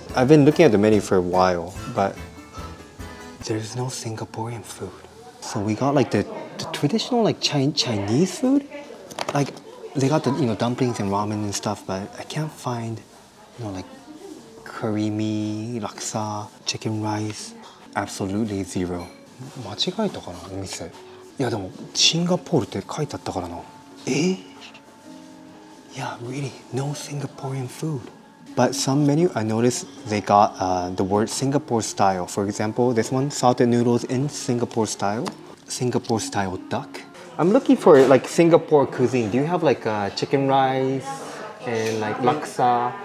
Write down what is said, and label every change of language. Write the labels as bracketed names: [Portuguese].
[English] I've been looking at the menu for a while, but there's no Singaporean food. So we got like the traditional like Chinese food. Like they got the, you know, dumplings and ramen and stuff, but I can't find, you know, like creamy laksa, chicken rice. Absolutely zero. [Japanese] 間違えたかな、お店。いやでもシンガポールって書いてあったからな。 [English] え?Yeah, really, no Singaporean food. But some menu, I noticed they got the word Singapore style. For example, this one, salted noodles in Singapore style. Singapore style duck. I'm looking for like Singapore cuisine. Do you have like chicken rice and like laksa?